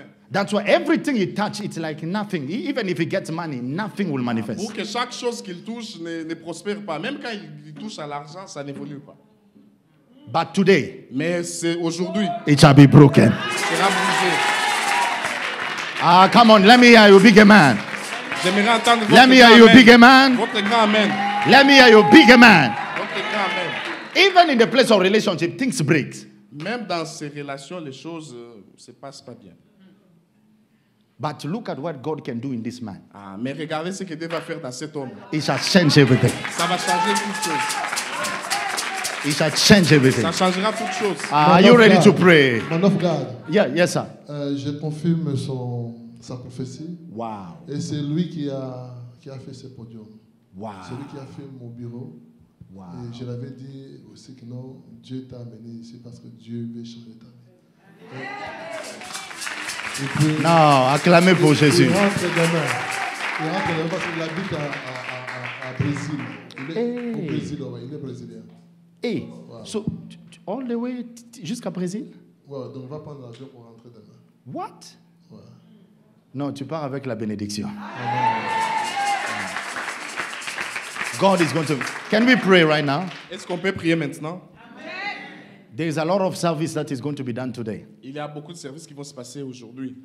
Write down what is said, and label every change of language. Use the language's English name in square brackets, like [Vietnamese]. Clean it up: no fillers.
[English] That's why everything he touches, it's like nothing. Even if he gets money, nothing will manifest. [French] Pour que chaque chose qu'il touche ne prospère pas. Même quand il touche à l'argent, ça n'évolue pas. [English] But today, [French] mais c'est aujourd'hui, [English] it shall be broken. Ah, come on, let me hear you, big man. [French] J'aimerais entendre votre [English] let me hear you, big man. [French] Votre grand amen. [English] Let me hear you, big man. [French] Votre grand amen. [English] Even in the place of relationship, things break. [French] Même dans ces relations, les choses se passent pas bien. [English] But look at what God can do in this man. [French] Ah, mais regardez ce que Dieu va faire dans cet homme. [English] It shall change everything. [French] Ça va changer toutes choses. [English] It shall change everything. [French] Ça changera toute chose. [English] Are you ready to pray? Man of God. Yeah, yes, sir. [French] Je confirme sa prophétie. Wow. Et c'est lui qui a fait ce podium. Wow. C'est lui qui a fait mon bureau. Wow. Et je l'avais dit aussi que non, Dieu t'a amené ici parce que Dieu veut changer ta vie. Non, acclamez pour Jésus. Il rentre demain parce qu'il habite à Brésil. Au Brésil, il est brésilien. [English] Hey, wow. So all the way [French] jusqu'à Brésil? Ouais, donc va prendre l'avion pour rentrer demain. [English] What? [French] Ouais. Non, tu pars avec la bénédiction. Amen. [English] God is going to. Can we pray right now? [French] Est-ce qu'on peut prier maintenant? Amen. [English] There is a lot of service that is going to be done today. [French] Il y a beaucoup de services qui vont se passer aujourd'hui.